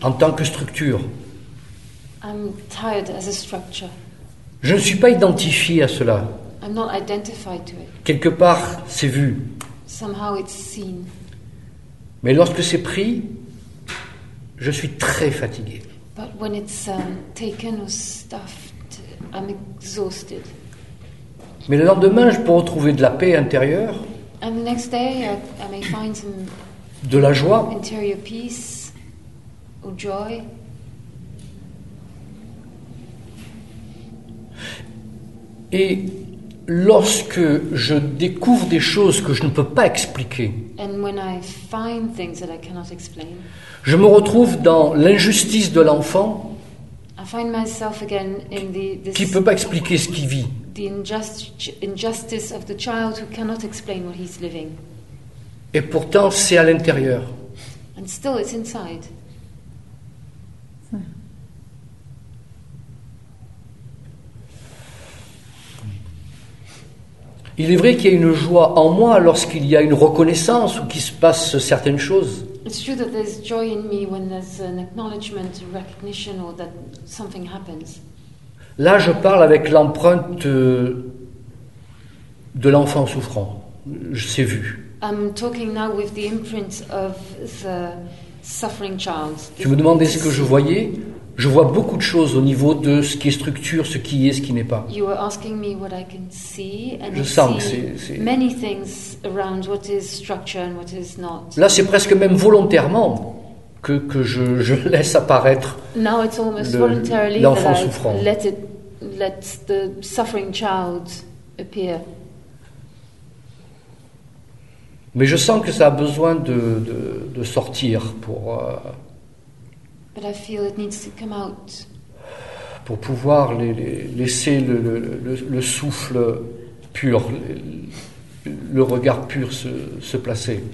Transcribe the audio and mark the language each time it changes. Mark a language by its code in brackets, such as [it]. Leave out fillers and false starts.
[fr] en tant que structure. [en] I'm tired as a structure. [fr] Je ne suis pas identifié à cela. [en] I'm not identified to it. [fr] Quelque part, c'est vu. [en] Somehow it's seen. [fr] Mais lorsque c'est pris, je suis très fatigué. [en] But when it's taken or stuffed, I'm exhausted. [fr] Mais le lendemain, je peux retrouver de la paix intérieure. [en] And the next day, I may find some [fr] de la joie. [en] Interior peace or joy. [fr] Et lorsque je découvre des choses que je ne peux pas expliquer, [en] and when I find things that I cannot explain, [fr] je me retrouve dans l'injustice de l'enfant [en] I find myself again in this, [fr] qui ne peut pas expliquer ce qu'il vit. [en] The injustice of the child who cannot explain what he's living. [fr] Et pourtant, c'est à l'intérieur. [en] And still it's inside. [fr] Il est vrai qu'il y a une joie en moi lorsqu'il y a une reconnaissance ou qu'il se passe certaines choses. [en] It's true that there's joy in me when there's an acknowledgement, a recognition, or that something happens. [fr] Là, je parle avec l'empreinte de l'enfant souffrant. Je sais vu. [en] I'm talking now with the imprint of the suffering child. [fr] Tu me demandais ce que je voyais. Je vois beaucoup de choses au niveau de ce qui est structure, ce qui est, ce qui n'est pas. [en] You were asking me what I can see, and [fr] je [en] I [fr] sens [en] see [fr] que c'est [en] many things around what is structure and what is not. [fr] Là, c'est presque même volontairement que je laisse apparaître [en] now it's almost voluntarily [fr] l'enfant souffrant. [en] Let the suffering child appear. [fr] Mais je sens que ça a besoin de sortir pour [en] but I feel it needs to come out. [fr] Pour pouvoir laisser le souffle pur, le regard pur se placer.